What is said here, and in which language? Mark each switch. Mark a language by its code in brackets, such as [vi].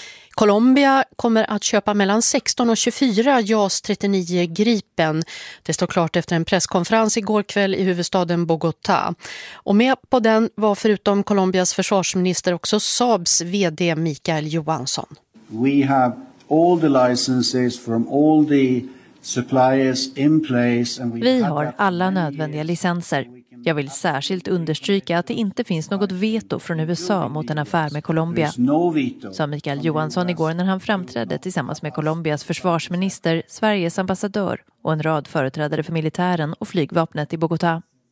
[sv] Colombia kommer att köpa mellan 16 och 24 JAS 39 Gripen. Det står klart efter en presskonferens igår kväll i huvudstaden Bogotá. Och med på den var förutom Colombias försvarsminister också Saabs vd Mikael Johansson. [en] We have all the licenses from all the suppliers in place. [sv] Vi har alla nödvändiga licenser. Jag vill särskilt understryka att det inte finns något veto från USA mot en affär med Colombia, sa Mikael Johansson igår när han framträdde tillsammans med Colombias försvarsminister, Sveriges ambassadör och en rad företrädare för militären och flygvapnet i Bogotá.